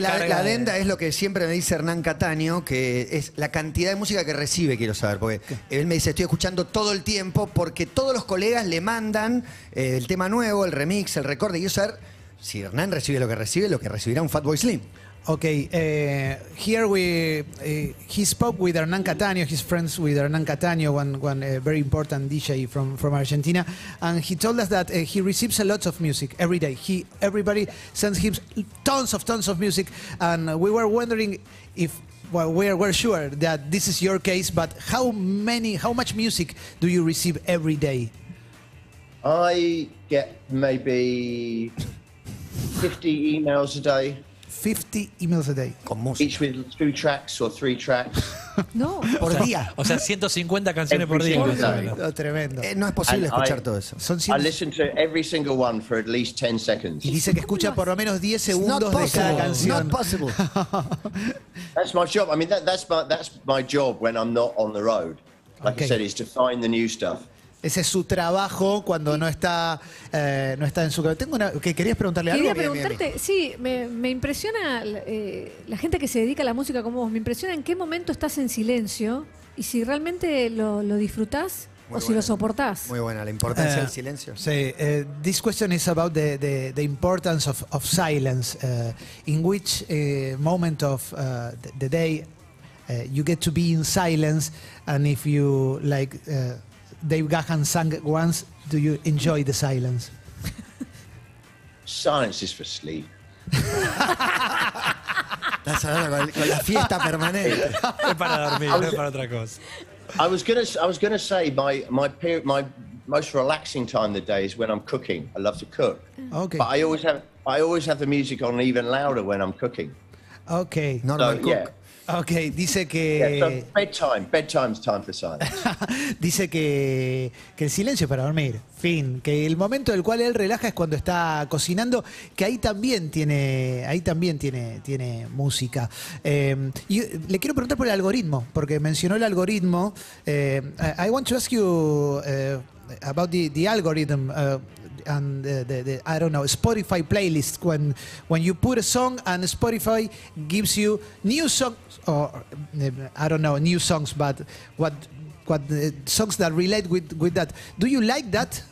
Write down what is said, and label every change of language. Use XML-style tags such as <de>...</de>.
<es>La adenda es lo que siempre me dice Hernán Cataño, que es la cantidad de música que recibe, quiero saber, porque ¿qué? Él me dice, estoy escuchando todo el tiempo, porque todos los colegas le mandan el tema nuevo, el remix, el recorde, y quiero saber si Hernán recibe, lo que recibirá un Fatboy Slim.</es> <en>Okay, here he spoke with Hernán Cataño, his friends with Hernán Cataño, one very important DJ from Argentina, and he told us that he receives a lot of music every day. Everybody sends him tons of music, and we were wondering we're sure that this is your case, but how much music do you receive every day? I get maybe 50 emails a day. 50 emails a day.</en> <es>Con música.</es> <en>Each with two tracks or three tracks.</en> <es>No. Por día. O sea, 150 canciones por día. Oh, tremendo. No es posible escuchar todo eso.</es> <en>I listen to every single one for at least 10 seconds.</en> <es>Y dice que escucha por lo menos 10 segundos de cada canción.</es> <en>Not possible. That's my job. I mean, that's my job when I'm not on the road. Like okay. I said, is to find the new stuff.</en> <es>Ese es su trabajo cuando no está en su... ¿Querías preguntarle algo? Quería preguntarte, sí, me impresiona la gente que se dedica a la música como vos. Me impresiona en qué momento estás en silencio y si realmente lo disfrutás. Muy o buena. Si lo soportás. Muy buena, la importancia del silencio.</es> <en>Sí, this question is about the importance of silence. In which moment of the day you get to be in silence, and if you like... Dave Gahan sang once, do you enjoy the silence? Silence is for sleep. That's another one.</en> <es>Con la fiesta permanente. Es para dormir, no es para otra cosa.</es> <en>I was gonna say my most relaxing time of the day is when I'm cooking. I love to cook. Okay. But I always have the music on even louder when I'm cooking. Okay. Not so, my cook. Yeah.</en> <es>Ok, dice que...</es> <en>Yeah, bedtime's time for silence.</en> <es>Dice que el silencio para dormir, fin. Que el momento del cual él relaja es cuando está cocinando, que ahí también tiene música. Y le quiero preguntar por el algoritmo, porque mencionó el algoritmo.</es> <en>I want to ask you about the algorithm. And the I don't know, Spotify playlist, when you put a song and Spotify gives you new songs, or I don't know, new songs, but what songs that relate with that. Do you like that?</en>